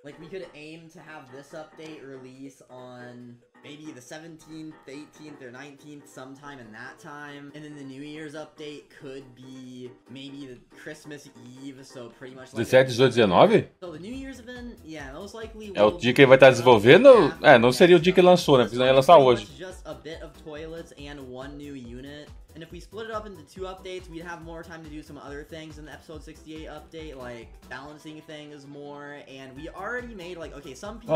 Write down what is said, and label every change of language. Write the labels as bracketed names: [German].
[English] Like, we could aim to have this update release on maybe the 17th, 18th, or 19th, sometime in that time. And then the New Year's update could be maybe the Christmas Eve, so pretty much like... 17, 18, 19? So the New Year's event, yeah, most likely... [Portuguese] É o dia que ele vai estar desenvolvendo? É, não seria o dia que lançou, né? Porque não ia lançar hoje. [English] Just a bit of toilets and one new unit. And if we split it up into two updates, we'd have more time to do some other things in the episode 68 update, like balancing things more. And we already made like, okay, some people...